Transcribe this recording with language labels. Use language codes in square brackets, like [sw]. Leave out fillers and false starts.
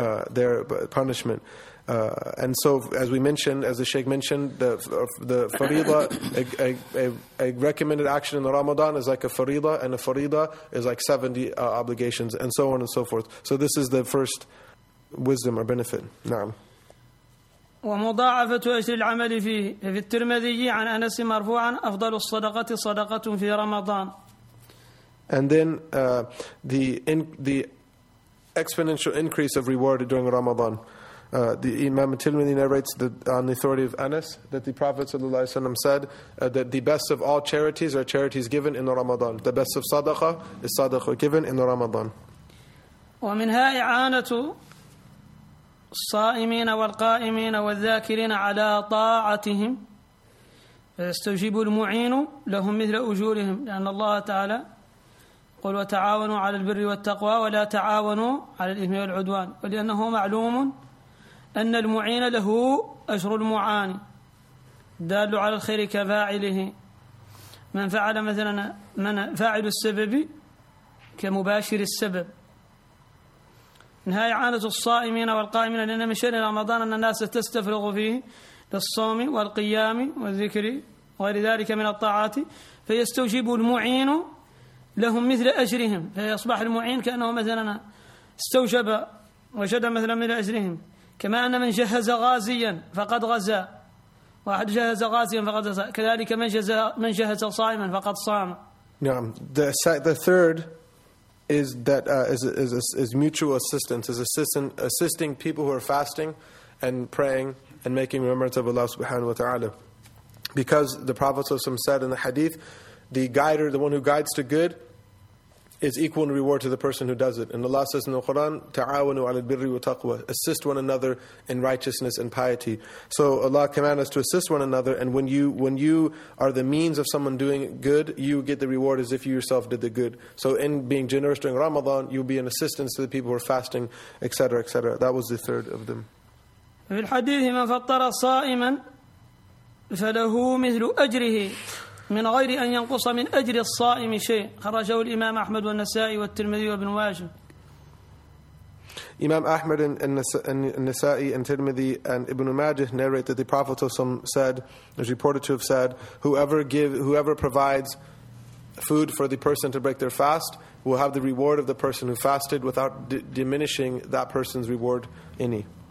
[en] their punishment. And so, as we mentioned, as the Sheikh mentioned, the faridah, a recommended action in the Ramadan is like a faridah, and a faridah is like 70 obligations, and so on and so forth. So this is the first wisdom or benefit. [ar] Na'am. ومضاعفة أجر العمل فيه في الترمذي عن أنس مرفوعا أفضل الصدقة صدقة في رمضان. [en] And then the exponential increase of reward during Ramadan. The Imam Tirmidhi narrates that on the authority of Anas that the Prophet ﷺ said that the best of all charities are charities given in Ramadan. The best of sadaqah is sadaqah given in Ramadan. [ar] ومنها إعانة الصائمين والقائمين والذاكرين على طاعتهم فيستجيب المعين لهم مثل أجورهم لأن الله تعالى قل وتعاونوا على البر والتقوى ولا تعاونوا على الإثم والعدوان ولأنه معلوم أن المعين له أجر المعاني دال على الخير كفاعله من فعل مثلا من فاعل السبب كمباشر السبب نهاية عانة الصائمين والقائمين لأن من شأن رمضان أن الناس تستفرغ فيه للصوم والقيام والذكر وغير ذلك من الطاعات فيستوجب المعين لهم مثل أجرهم فيصبح المعين كأنه مثلا استوجب وجد مثلا من أجرهم كما أن من جهز غازيا فقد غزا واحد جهز غازيا فقد غزا كذلك من جهز صائما فقد صام. نعم. [en] The third is that is mutual assistance, is assisting people who are fasting and praying and making remembrance of Allah subhanahu wa ta'ala. Because the Prophet said in the hadith, the guider, the one who guides to good, is equal in reward to the person who does it. And Allah says in the Quran, [ar] ta'awanu ala albirri wa taqwa, [en] assist one another in righteousness and piety. So Allah commands us to assist one another, and when you are the means of someone doing good, you get the reward as if you yourself did the good. So in being generous during Ramadan, you'll be an assistance to the people who are fasting, etc., etc. That was the third of them. In hadith, [ar] man fattara sa'iman falahu mithlu ajrihi من غير أن ينقص من أجر الصائم شيء خرجه الإمام أحمد والنسائي والترمذي وابن ماجه. [en] Imam Ahmad and Nasa'i and Tirmidhi and Ibn Majah narrate that the Prophet said, is reported to have said, whoever provides food for the person to break their fast will have the reward of the person who fasted without diminishing that person's reward any.